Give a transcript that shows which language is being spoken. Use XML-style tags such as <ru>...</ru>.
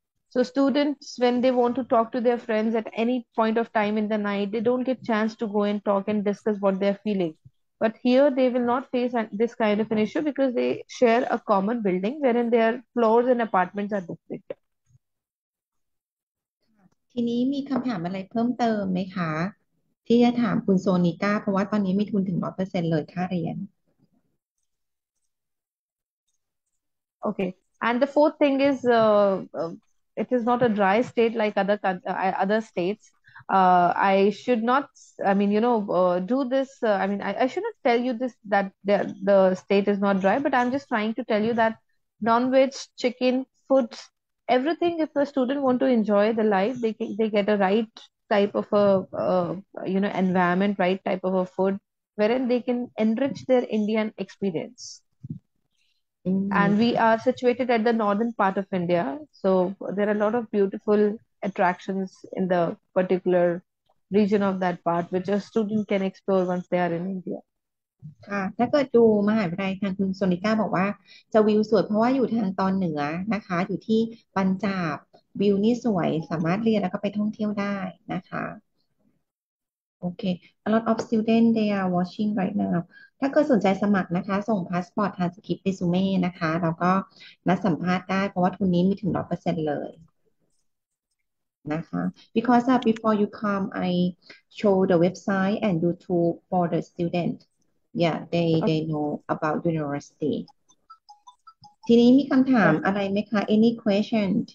<en>So students, when they want to talk to their friends at any point of time in the night, they don't get chance to go and talk and discuss what they're feeling. But here they will not face this kind of an issue because they share a common building wherein their floors and apartments are different.</en> <th>ทีนี้มีคำถามอะไรเพิ่มเติมไหมคะที่จะถามคุณโซนิก้าเพราะว่าตอนนี้มีทุนถึง 100% เลยค่าเรียน</th> <en>Okay. And the fourth thing is it is not a dry state like other states. I should not, I mean, you know, do this. I mean, I should not tell you this, that the state is not dry, but I'm just trying to tell you that non-veg, chicken, food, everything, if a student want to enjoy the life, they get a right type of a, you know, environment, right type of a food, wherein they can enrich their Indian experience. Mm-hmm. And we are situated at the northern part of India. So there are a lot of beautiful attractions in the particular region of that part, which a student can explore once they are in India.</en> <th>ถ้าเกิดดูมหาวิทยาลัยทางคุณโซนิก้าบอกว่าจะวิวสวยเพราะว่าอยู่ทางตอนเหนือนะคะอยู่ที่ปัญจาบวิวนี่สวยสามารถเรียนแล้วก็ไปท่องเที่ยวได้นะคะ</th> <en>โอเค a lot of student they are watching right now</en> <th>ถ้าเกิดสนใจสมัครนะคะส่งพาสปอร์ตทางสคริปต์เรซูเม่นะคะแล้วก็นัดสัมภาษณ์ได้เพราะว่าทุนนี้มีถึง 100% เลยนะคะ</th> <en>because before you come I show the website and YouTube for the student yeah they know about university</en> <th>ทีนี้มีคำถามอะไรไหมคะ</th> <en>any question</en>